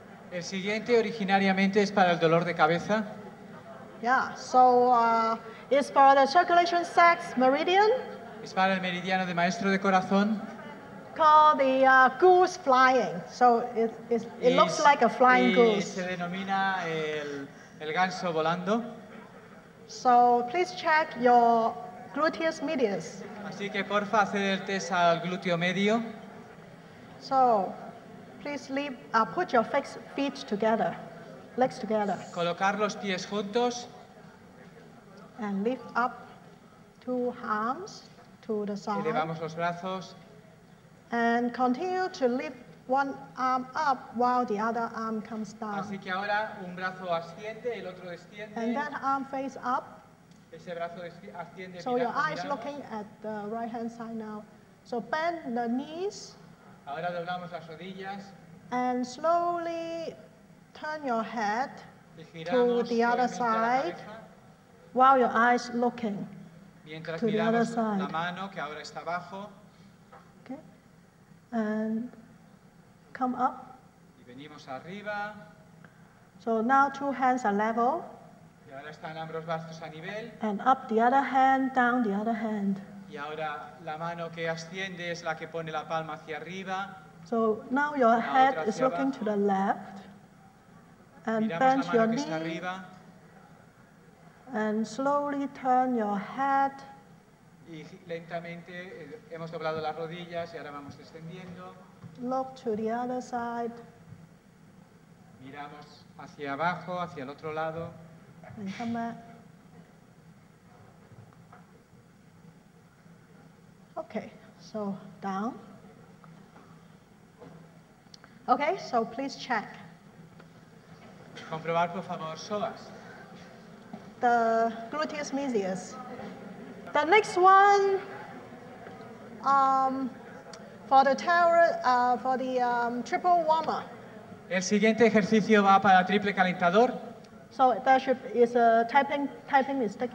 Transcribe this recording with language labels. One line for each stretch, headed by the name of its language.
Spanish: El siguiente originariamente es para el dolor de cabeza.
English: Yeah, so it's for the circulation sex meridian.
Spanish: Es para el meridiano de maestro de corazón.
English: Called the goose flying, so it looks like a flying goose.
Spanish: Y se denomina el ganso volando.
English: So please check your gluteus medius.
Spanish: Así que porfa, haced el test al glúteo medio.
English: So please put your feet together, legs together.
Spanish: Colocar los pies juntos.
English: And lift up two arms to the side.
Spanish: Elevamos los brazos.
English: And continue to lift one arm up while the other arm comes down.
Spanish: Así que ahora un brazo asciende, el otro desciende.
English: And that arm face up.
Spanish: Ese brazo asciende,
English: so your eyes looking at the right hand side now. So bend the knees.
Spanish: Ahora doblamos las rodillas.
English: And slowly turn your head to the other side while your eyes looking
Spanish: mientras
English: to the other side.
Spanish: La mano que ahora está abajo.
English: And come up.
Spanish: Y venimos arriba.
English: So now two hands are level.
Spanish: Y ahora están ambos brazos a nivel.
English: And up the other hand, down the other hand.
Spanish: Y ahora la mano que asciende es la que pone la palma hacia arriba.
English: So now your head is looking to the left. And bend your knee.
Spanish: Arriba.
English: And slowly turn your head.
Spanish: Y lentamente hemos doblado las rodillas y ahora vamos descendiendo.
English: Look to the other side.
Spanish: Miramos hacia abajo, hacia el otro lado.
English: And come back. Okay, so down. Okay, so please check.
Spanish: Comprobar por favor psoas.
English: The gluteus medius. The next one, for the tower, for the triple warmer.
Spanish: El siguiente ejercicio va para triple calentador.
English: So there is a typing mistake.